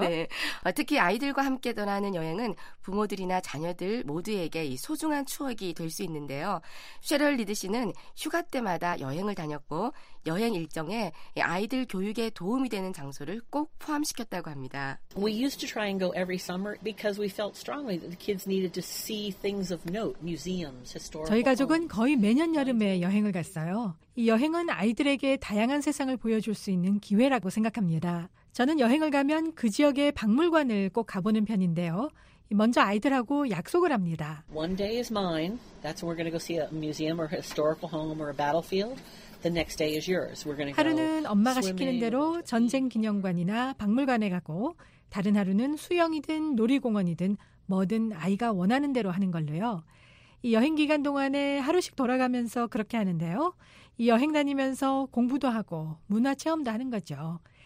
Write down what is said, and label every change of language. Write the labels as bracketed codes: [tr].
[ko] 네, 특히 아이들과 함께 떠나는 여행은 부모들이나 자녀들 모두에게 이 소중한 추억이 될 수 있는데요. 셰럴 리드 씨는 휴가 때마다 여행을 다녔고 여행 일정에 아이들 교육에 도움이 되는 장소를 꼭 포함시켰다고 합니다. [en] We used to try and go every summer because we felt strongly that the kids needed to see things of note, museums, historical. [ko] 저희 가족은 거의 매년 여름에 여행을 갔어요. 이 여행은 아이들에게 다양한 세상을 보여줄 수 있는 기회라고 생각합니다. 저는 여행을 가면 그 지역의 박물관을 꼭 가보는 편인데요. 먼저 아이들하고 약속을 합니다. [en] One day is mine. That's when we're going to go see a museum or a historical home or a battlefield. The next day is yours. We're gonna go [ko] 하루는 엄마가 시키는 대로 전쟁 기념관이나 박물관에 가고 다른 하루는 수영이든 놀이공원이든 뭐든 아이가 원하는 대로 하는 걸로요. 이 여행 기간 동안에 하루씩 돌아가면서 그렇게 하는데요. 이 여행 다니면서 공부도 하고 문화 체험도 하는 거죠.